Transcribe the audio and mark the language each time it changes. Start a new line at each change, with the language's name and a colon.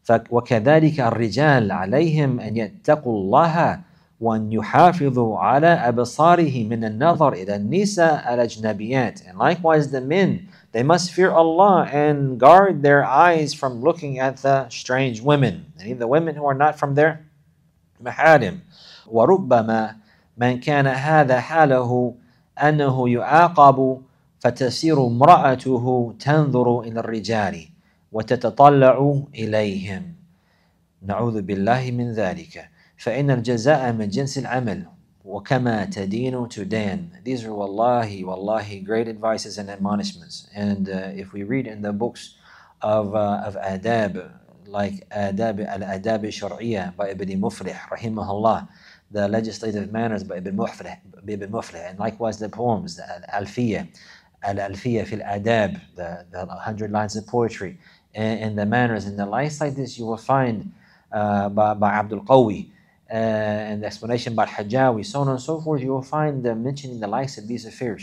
Arabic: وَكَذَلِكَ الرِّجَالِ عَلَيْهِمْ أَنْ يَتَّقُوا اللَّهَ وَأَنْ يُحَافِظُ عَلَى أَبْصَارِهِ مِنَ النَّظَرِ إِلَى النِّسَاءَ الْأَجْنَبِيَاتِ
English: And likewise the men, they must fear Allah and guard their eyes from looking at the strange women. Any of the women who are not from their mahalim.
Arabic: وَرُبَّمَا مَنْ كَانَ هَذَا حَالَهُ أَنَّهُ يُعَاقَبُ فَتَسِيرُ مْرَأَتُهُ تَنْظُرُ إِلَى الرِّجَالِ وَتَتَطَلَّعُ إِلَيْهِمْ نَعُوذُ بِاللَّهِ مِنْ ذَلِكَ فَإِنَّ الْجَزَاءَ مِنْ جِنْسِ الْعَمَلِ وَكَمَا تَدِينُ تُدَانِ
English: These are wallahi, wallahi, great advices and admonishments. And if we read in the books of adab, like adab al-adab al-shar'iyya by Ibn Mufrih, rahimahullah, the legislative manners by Ibn Mufrih, and likewise the poems, al-alfiyya fi al-adab, the 100 lines of poetry, and the manners and the likes like this, you will find by Abdul Qawi, and the explanation about Hajjawi, so on and so forth, you will find them mentioning the likes of these affairs.